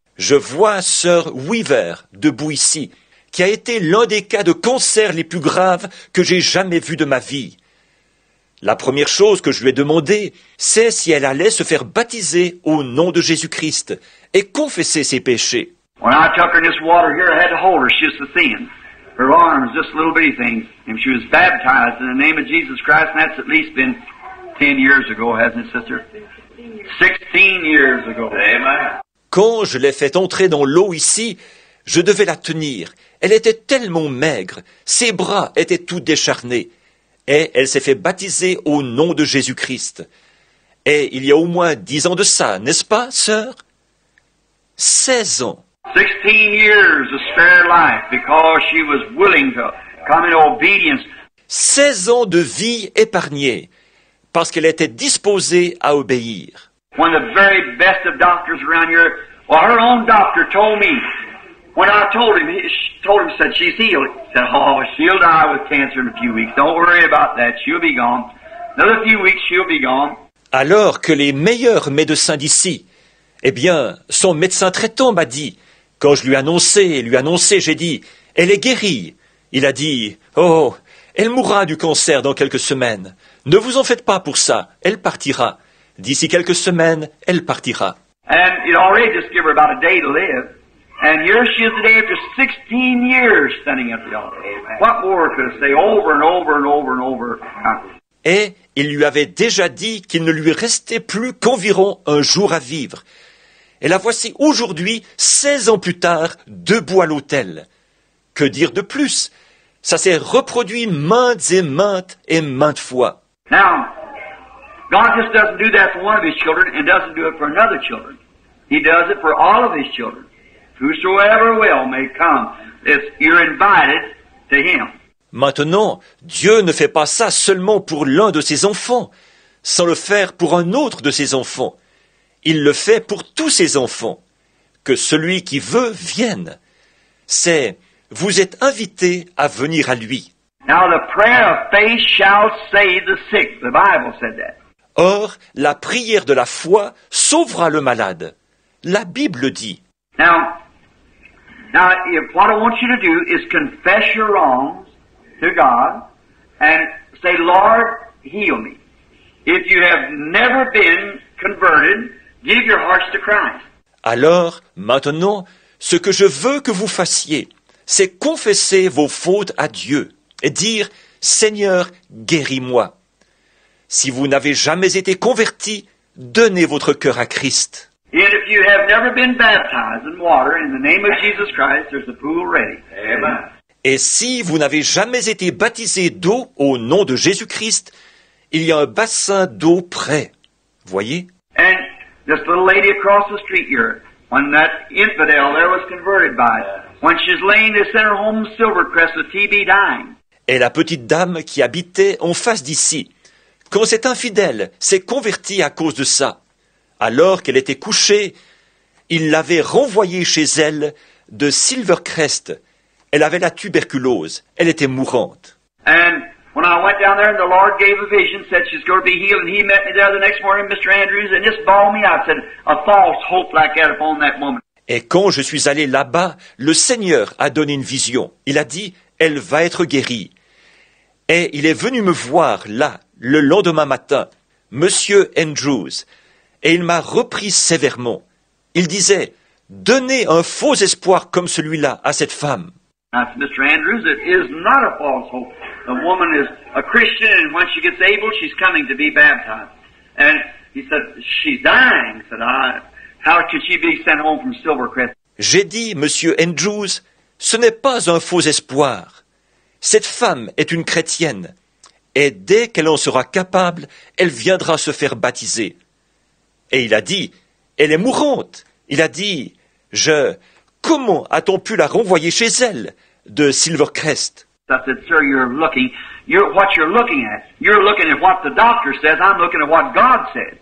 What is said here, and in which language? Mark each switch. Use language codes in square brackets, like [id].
[fr] Je vois Sœur Weaver debout ici, qui a été l'un des cas de cancer les plus graves que j'ai jamais vu de ma vie. La première chose que je lui ai demandé, c'est si elle allait se faire baptiser au nom de Jésus-Christ et confesser ses péchés. [en] When I took her in this water here, I had to hold her. She was so thin. Her arms, just a little bitty thing. And she was baptized in the name of Jesus Christ. And that's at least been 10 years ago, hasn't it, sister? 16 years ago. Amen. [fr] Quand je l'ai fait entrer dans l'eau ici, je devais la tenir. Elle était tellement maigre. Ses bras étaient tout décharnés. Et elle s'est fait baptiser au nom de Jésus Christ. Et il y a au moins 10 ans de ça, n'est-ce pas, sœur? 16 ans. [en] 16 years of spare life because she was willing to come in obedience. [fr] 16 ans de vie épargnée parce qu'elle était disposée à obéir. [en] One of the very best of doctors around here, well, her own doctor told me, when I told him, said she's healed. He said, oh, she'll die with cancer in a few weeks. Don't worry about that. She'll be gone. Another few weeks, she'll be gone. [fr] Alors que les meilleurs médecins d'ici, eh bien, son médecin traitant m'a dit, quand je lui annonçais, j'ai dit, elle est guérie. Il a dit, oh, elle mourra du cancer dans quelques semaines. Ne vous en faites pas pour ça, elle partira. D'ici quelques semaines, elle partira. [en] And it already just gave her about a day to live. And here she is today after 16 years standing at the altar. What more could I say over and over and over and over? [fr] Et il lui avait déjà dit qu'il ne lui restait plus qu'environ un jour à vivre. Et la voici aujourd'hui, 16 ans plus tard, debout à l'autel. Que dire de plus? Ça s'est reproduit maintes et maintes et maintes fois. [en] Now, God just doesn't do that for one of his children and doesn't do it for another children. He does it for all of his children. Whosoever will may come if you're invited to him. [fr] Maintenant, Dieu ne fait pas ça seulement pour l'un de ses enfants, sans le faire pour un autre de ses enfants. Il le fait pour tous ses enfants. Que celui qui veut vienne. C'est, vous êtes invité à venir à lui. [en] Now the prayer of faith shall save the sick. The Bible said that. [fr] Or, la prière de la foi sauvera le malade. La Bible dit. [en] Now if what I want you to do is confess your wrongs to God and say, Lord, heal me. If you have never been converted, give your hearts to Christ. [fr] Alors, maintenant, ce que je veux que vous fassiez, c'est confesser vos fautes à Dieu et dire « Seigneur, guéris-moi ». Si vous n'avez jamais été converti, donnez votre cœur à Christ. [en] And if you have never been baptized in water in the name of Jesus Christ, there's a pool ready. Amen. [fr] Et si vous n'avez jamais été baptisé d'eau au nom de Jésus-Christ, il y a un bassin d'eau prêt. Voyez? [en] And this little lady across the street here, when that infidel there was converted by, when she's laying this in her home Silvercrest with TB dying. [fr] Et la petite dame qui habitait en face d'ici, quand cet infidèle s'est converti à cause de ça, alors qu'elle était couchée, il l'avait renvoyée chez elle de Silvercrest. Elle avait la tuberculose. Elle était mourante. [en] And when I went down there and the Lord gave a vision, said she's going to be healed, and he met me there the next morning, Mr. Andrews, and just bawled me out, said a false hope like that upon that woman. [fr] Et quand je suis allé là-bas, le Seigneur a donné une vision. Il a dit, elle va être guérie. Et il est venu me voir là, le lendemain matin, Monsieur Andrews, et il m'a repris sévèrement. Il disait, donnez un faux espoir comme celui-là à cette femme. [en] Now, Mr. Andrews, it is not a false hope. The woman is a Christian, and when she gets able, she's coming to be baptized. And he said, she's dying. He said, how could she be sent home from Silvercrest? [fr] J'ai dit, Monsieur Andrews, ce n'est pas un faux espoir. Cette femme est une chrétienne. Et dès qu'elle en sera capable, elle viendra se faire baptiser. Et il a dit, elle est mourante. Il a dit, comment a-t-on pu la renvoyer chez elle, de Silvercrest? [en] I said, sir, you're looking at what the doctor says, I'm looking at what God said.